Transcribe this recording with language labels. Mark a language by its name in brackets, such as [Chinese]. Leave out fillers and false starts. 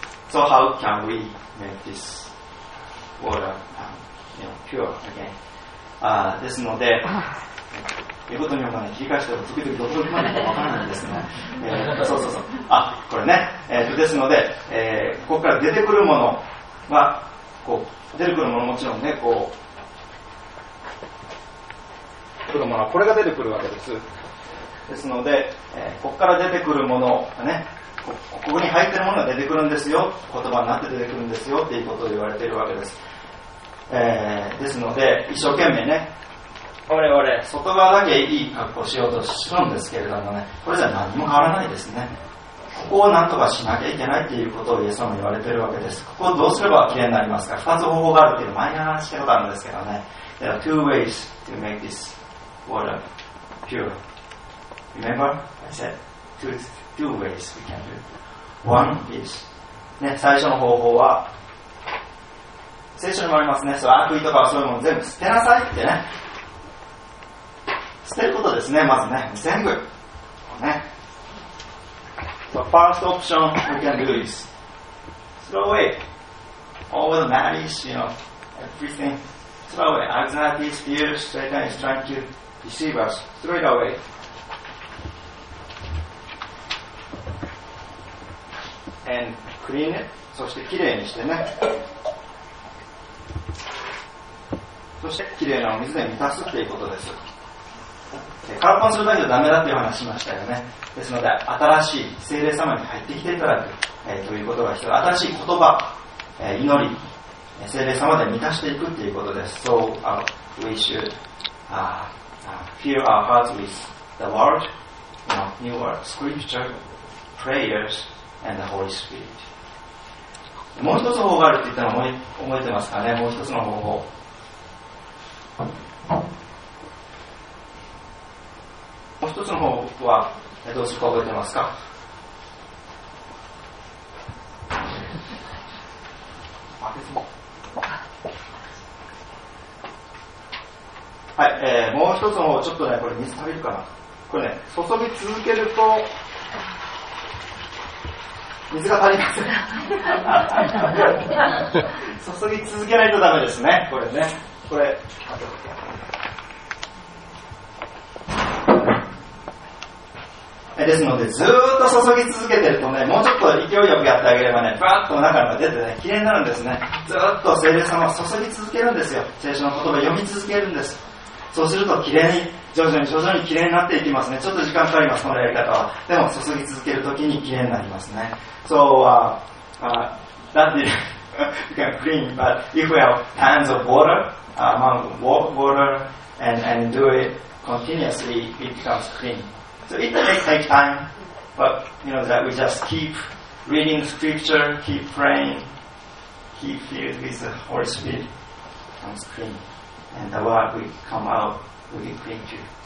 [English] So how can we make this water, pure again? [Japanese] ですので、言うことによって、ね、切り返しても時々どこに行くのか分からないんですね。そう。あ、これね。ですので、ここから出てくるものは、こう、出てくるものもちろんね、こう、出てくるものはこれが出てくるわけです。ですので、ここから出てくるものがね、ここに入っているものが出てくるんですよ、言葉になって出てくるんですよっていうことを言われているわけです。ですので、一生懸命ね、俺、外側だけいい格好しようとするんですけれどもね、これじゃ何も変わらないですね。ここをなんとかしなきゃいけないっていうことをイエス様に言われているわけです。ここをどうすればきれいになりますか？二つ方法があるっていう前に話したことあるんですけどね。 [English] There are two ways to make this water pure. Remember? I said two ways we can do. One is, [Japanese] ね、最初の方法は、聖書にもありますね。そう、悪意とかそういうもの全部捨てなさいってね。捨てることですね、まずね。全部。ね。 [English] So, first option we can do is throw away all the malice, you know, everything. Throw away. Anxiety, fear, Satan is trying to deceive us. Throw it away. And clean it. [Japanese] そしてきれいにしてね。そしてきれいなお水で満たすっていうことです。空っぽにするだけじゃダメだっていう話しましたよね。ですので新しい聖霊様に入ってきていただく、ということが必要。新しい言葉、祈り、聖霊様で満たしていくっていうことです。 [English] So we should fill our hearts with the word, you know, new word, scripture, prayers and the Holy Spirit. [Japanese] もう一つ方法があるって言ったの覚えてますかね。もう一つの方法、もう一つの方法はどうするか覚えてますか？はい、もう一つの方法、ちょっとね、これ水足りるかな。これね、注ぎ続けると水が足りません。注ぎ続けないとダメですね、これね。これですので、ずっと注ぎ続けてるとね、もうちょっと勢いよくやってあげればね、バーッと中から出てね、綺麗になるんですね。ずっと聖霊様を注ぎ続けるんですよ。聖書の言葉を読み続けるんです。そうすると綺麗に、徐々に徐々に綺麗になっていきますね。ちょっと時間かかります、このやり方は。でも注ぎ続けるときに綺麗になりますね。 [English] So that is you can clean, but if we have tons of water among water and do it continuously, it becomes clean. So it may take time, but you know that we just keep reading scripture, keep praying, keep filled with the Holy Spirit on screen, and the word will come out, will be clean too.